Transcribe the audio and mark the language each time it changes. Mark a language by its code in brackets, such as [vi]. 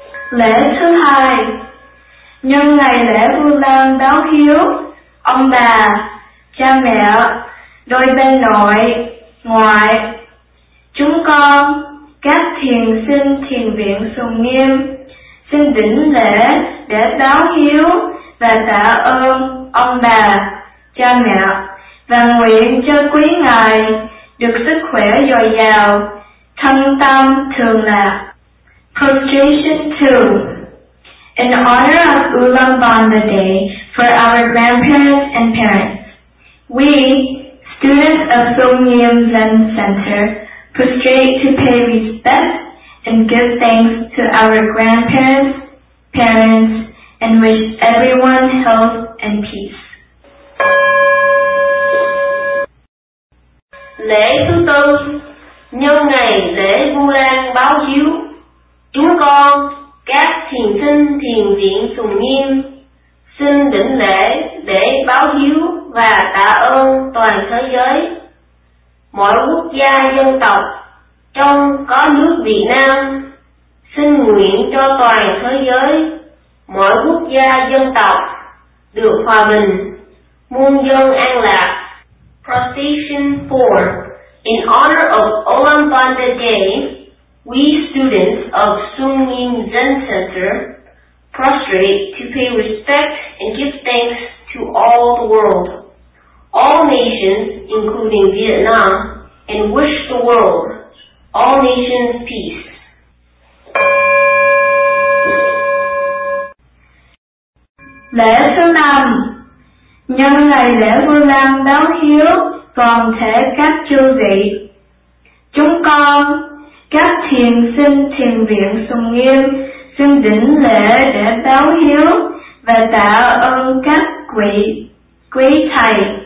[vi] Lễ thứ hai, nhân ngày lễ Vu Lan báo hiếu, ông bà, cha mẹ, đôi bên nội, ngoại, chúng con, các thiền sinh thiền viện Sùng Nghiêm, xin đỉnh lễ để báo hiếu và tạ ơn ông bà, cha mẹ, và nguyện cho quý ngài được sức khỏe dồi dào, thân tâm thường lạc. [en] Prostration 2. In honor of Ulambanaday, for our grandparents and parents, we, students of Sungnyam Zen Center, prostrate to pay respect and give thanks to our grandparents, parents, and wish everyone health and peace. [vi] Lễ thứ tư, nhân ngày lễ Vu Lan báo hiếu, chúng con, các thiền sinh thiền viện Sùng Nghiêm, xin đỉnh lễ để báo hiếu và tạ ơn toàn thế giới, mọi quốc gia dân tộc, trong có nước Việt Nam, xin nguyện cho toàn thế giới, mọi quốc gia dân tộc, được hòa bình, muôn dân an lạc. [en] Procession 4. In honor of Ulambanaday, we students of Sungnyin Zen Center prostrate to pay respect and give thanks to all the world, all nations, including Vietnam, and wish the world, all nations, peace. [vi] Lễ thứ năm, nhân ngày lễ Vu Lan báo hiếu, toàn thể các chư vị, chúng con, các thiền sinh thiền viện Sùng Nghiêm, xin đỉnh lễ để báo hiếu và tạ ơn các quý thầy,